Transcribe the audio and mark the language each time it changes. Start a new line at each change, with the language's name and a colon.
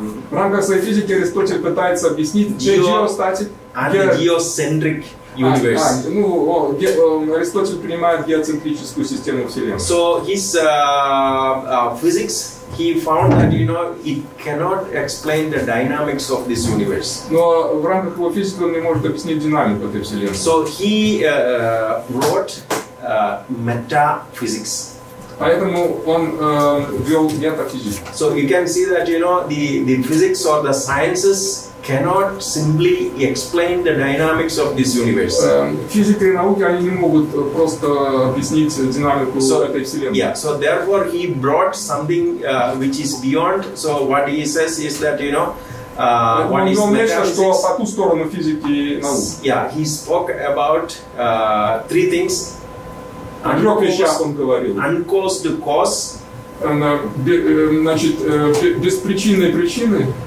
Russian: в рамках своей физики Аристотель пытается объяснить geostatic
English: and geocentric universe.
Russian: Аристотель принимает геоцентрическую систему Вселенной.
English: So his physics he found that you know it cannot explain the dynamics of this universe.
Russian: Но в рамках его физики он не может объяснить динамику этой Вселенной.
English: So he wrote metaphysics.
Russian: Поэтому он ввел метафизику.
English: So you can see that you know the physics or the sciences cannot simply explain the dynamics of this universe.
Russian: Физика и наука, они не могут просто объяснить динамику этой Вселенной.
English: Yeah, so therefore he brought something which is beyond. So what he says is that, you know, what is metaphysics?
Russian: По ту сторону физики и науки.
English: Yeah, he spoke about three things. Uncaused cause.
Russian: Значит, без причины и причины.